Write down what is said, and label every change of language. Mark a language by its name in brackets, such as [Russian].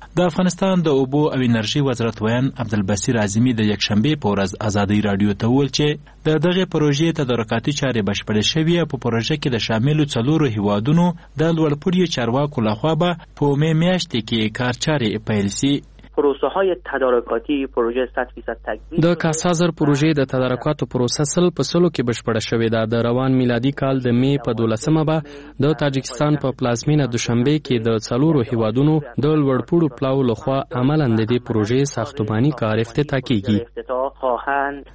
[Pashto] د افغانستان د اوبو او انرژي وزارت وین عبدالبصیر عظیمی د یکشنبه په ورځ ازادي رادیو ته وویل چې د دغه پروژې تدارکاتي چارې بشپړې شوې. په پروژه کې د شاملو څلورو هیوادونو د لوړپوړي چارواکو لخوا به په می میاشت کې کار چارې پیل سي. [Persian] پروسه های تدارکاتی پروژه 100% تکمیل [Pashto] د کاسازر پروژه د تدارکاتو پروسه سل په سلو کې بشپړه شوې ده. د روان میلادي کال د می په 12مه به د تاجکستان په پلازمینه دوشنبه کې د څلورو هیوادونو د لوړپوړو پلاو لخوا عملاً د دې پروژې ساختمانی کار افتتاح کیږي.